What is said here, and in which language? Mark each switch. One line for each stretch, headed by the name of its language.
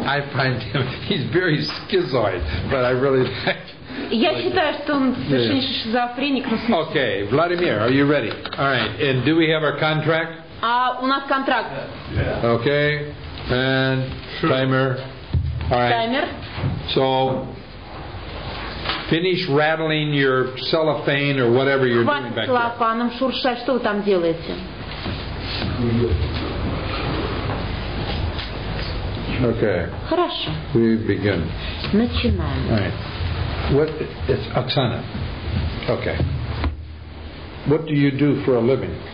English: I find him, he's very schizoid, but I really like...
Russian: Я считаю, что он совершеннейший шизофреник.
English: Okay, Vladimir, are you ready? All right, and do we have our contract?
Russian: А у нас контракт.
English: Okay, and timer. All right. Timer. So, finish rattling your cellophane or whatever you're doing back there.
Russian: Хватит клапаном шуршать, что вы там делаете?
English: Okay.
Russian: Хорошо.
English: We begin.
Russian: Начинаем.
English: All right. What? It's Оксана. Okay. What do you do for a living?